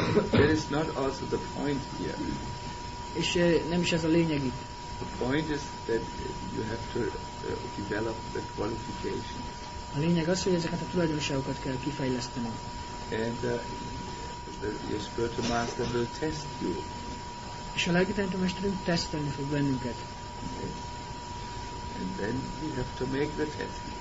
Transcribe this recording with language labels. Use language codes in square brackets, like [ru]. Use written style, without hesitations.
[en] That is not also the point here. [hu] És nem is ez a lényeg itt. [en] The point is that you have to develop the qualification. [hu] A lényeg az, hogy ezeket a tulajdonságokat kell kifejleszteni. [en] And your spiritual master will test you. [hu] És a lelki tanító mesterünk tesztelni fog bennünket. [en] And then you have to make the test.